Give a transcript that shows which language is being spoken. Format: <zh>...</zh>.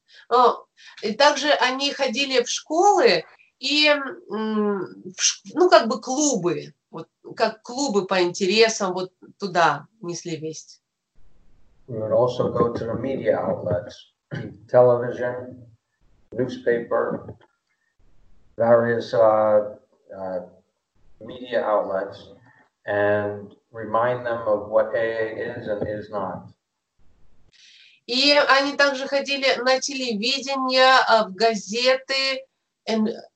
<ru>Oh, и также они ходили в школы, и, ну, как бы клубы, вот, как клубы по интересам, вот туда несли весть.</ru> <en>We would also go to the media outlets, television, newspaper, various media outlets, and remind them of what AA is and is not.</en> <ru>И они также ходили на телевидение, в газеты,</ru> <en>and...</en>